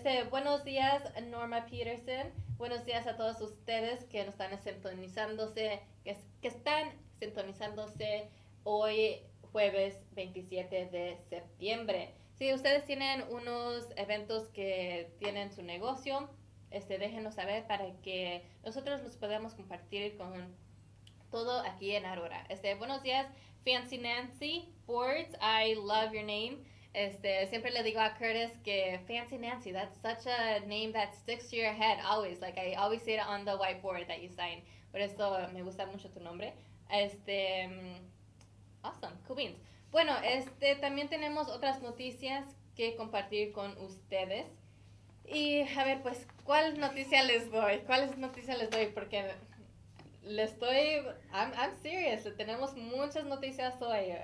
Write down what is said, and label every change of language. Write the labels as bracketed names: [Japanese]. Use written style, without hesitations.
[Spanish] Buenos días, Norma Peterson. Buenos días a todos ustedes que nos están sintonizándose, que están sintonizándose hoy jueves 27 de septiembre. Si ustedes tienen unos eventos que tienen su negocio, déjenos saber para que nosotros los podamos compartir con todo aquí en Aurora. Buenos días, [English] Fancy Nancy Boards, I love your name. [Spanish] Siempre le digo a Curtis que Fancy [English] Nancy, that's such a name that sticks to your head always. Like I always see it on the whiteboard that you sign. [Spanish] Por eso me gusta mucho tu nombre. [English] Awesome, cool beans. [Spanish] Bueno, también tenemos otras noticias que compartir con ustedes. Y a ver, pues, ¿cuáles noticias les doy? Porque [English] I'm serious, [Spanish] tenemos muchas noticias hoy.